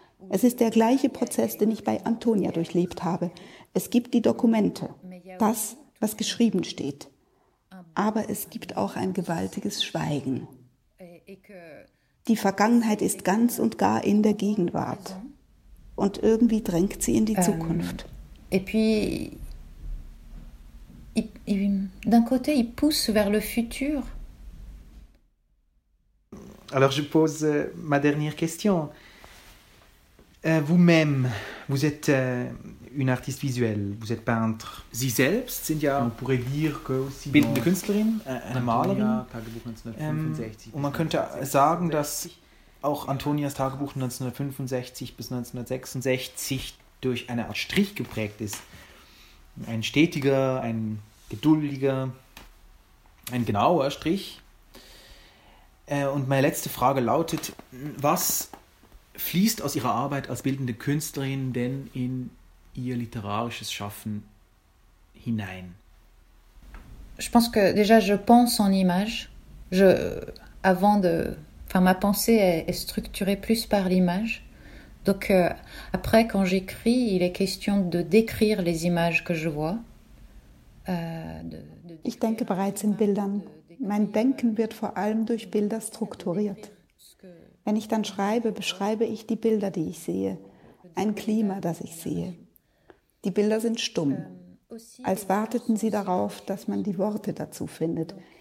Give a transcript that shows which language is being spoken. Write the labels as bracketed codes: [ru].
[de] Es ist der gleiche Prozess, den ich bei Antonia durchlebt habe. Es gibt die Dokumente. Das was geschrieben steht. Aber es gibt auch ein gewaltiges Schweigen. Die Vergangenheit ist ganz und gar in der Gegenwart. Und irgendwie drängt sie in die Zukunft. [fr] Et puis, d'un côté, il pousse vers le futur. Alors, je pose ma dernière question. Vous-même, vous êtes une artiste visuelle, vous êtes peintre. [de] Sie selbst sind ja, [fr] on pourrait dire que aussi [de] bildende Künstlerin, eine Malerin. Und man könnte sagen, dass auch Antonias Tagebuch 1965 bis 1966 durch eine Art Strich geprägt ist. Ein stetiger, ein geduldiger, ein genauer Strich. Und meine letzte Frage lautet, was fließt aus ihrer Arbeit als bildende Künstlerin denn in ihr literarisches Schaffen hinein? [fr] Je pense que déjà je pense en image. Je avant de enfin ma pensée est structurée plus par l'image. Donc après quand j'écris, il est question de décrire les images que je vois. [de] Ich denke bereits in Bildern. Mein Denken wird vor allem durch Bilder strukturiert. Wenn ich dann schreibe, beschreibe ich die Bilder, die ich sehe, ein Klima, das ich sehe. Die Bilder sind stumm, als warteten sie darauf, dass man die Worte dazu findet.